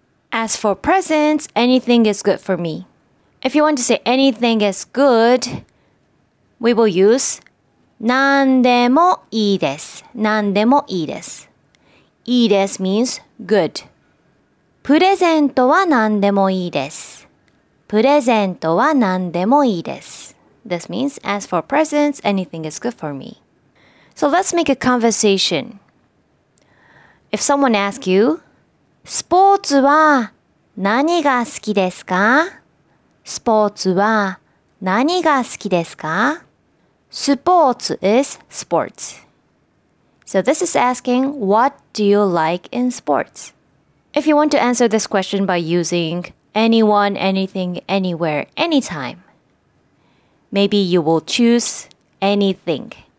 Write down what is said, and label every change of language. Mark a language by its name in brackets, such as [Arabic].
[English] As for presents, anything is good for me. If you want to say anything is good, we will use [Japanese] 何でもいいです。何でもいいです。 [English] いいです means good. [Japanese] プレゼントは何でもいいです。プレゼントは何でもいいです。 [English] This means as for presents, anything is good for me. So let's make a conversation. If someone asks you, [Japanese] スポーツは何が好きですか? スポーツは何が好きですか? [English] Sports is sports. So this is asking, what do you like in sports? If you want to answer this question by using anyone, anything, anywhere, anytime, maybe you will choose anything.